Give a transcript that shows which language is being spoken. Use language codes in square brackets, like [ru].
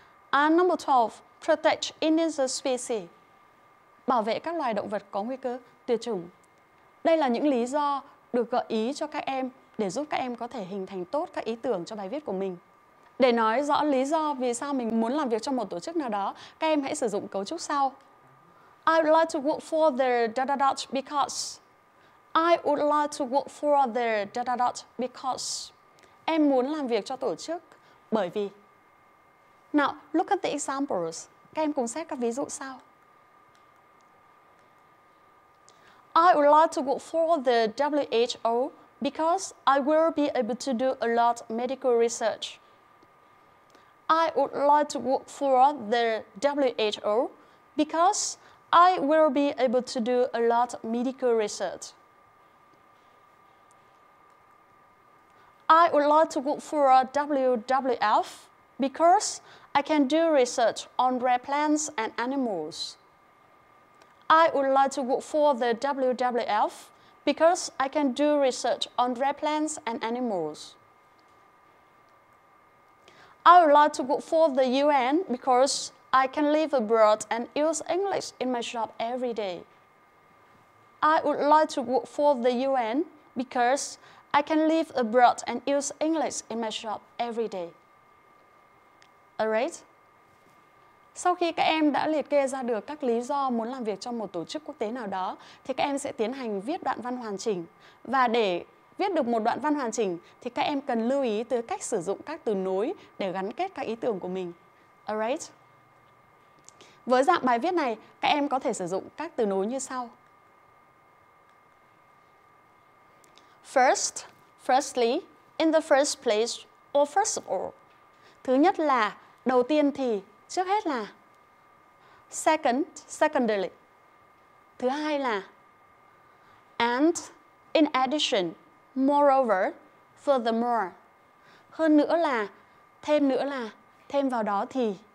[en] And number 12, protect endangered species. [vi] Bảo vệ các loài động vật có nguy cơ tuyệt chủng. Đây là những lý do được gợi ý cho các em để giúp các em có thể hình thành tốt các ý tưởng cho bài viết của mình. Để nói rõ lý do vì sao mình muốn làm việc trong một tổ chức nào đó, các em hãy sử dụng cấu trúc sau. [en] I would like to work for the da-da-da-da because. I would like to work for the da-da-da-da because. [vi] Em muốn làm việc cho tổ chức bởi vì. [en] Now, look at the examples. [vi] Các em cùng xét các ví dụ sau. [en] I would like to work for the WHO because I will be able to do a lot of medical research. I would like to work for the WHO because I will be able to do a lot of medical research. I would like to work for WWF because I can do research on rare plants and animals. I would like to work for the WWF because I can do research on rare plants and animals. I would like to work for the UN because I can live abroad and use English in my job every day. I would like to work for the UN because I can live abroad and use English in my shop every day. Alright? [vi] Sau khi các em đã liệt kê ra được các lý do muốn làm việc trong một tổ chức quốc tế nào đó, thì các em sẽ tiến hành viết đoạn văn hoàn chỉnh. Và để viết được một đoạn văn hoàn chỉnh, thì các em cần lưu ý tới cách sử dụng các từ nối để gắn kết các ý tưởng của mình. Alright? Với dạng bài viết này, các em có thể sử dụng các từ nối như sau. [en] First, firstly, in the first place, or first of all. [vi] Thứ nhất là, đầu tiên thì, trước hết là. [en] Second, secondly. [vi] Thứ hai là. [en] And, in addition, moreover, furthermore. [vi] Hơn nữa là, thêm nữa là, thêm vào đó thì.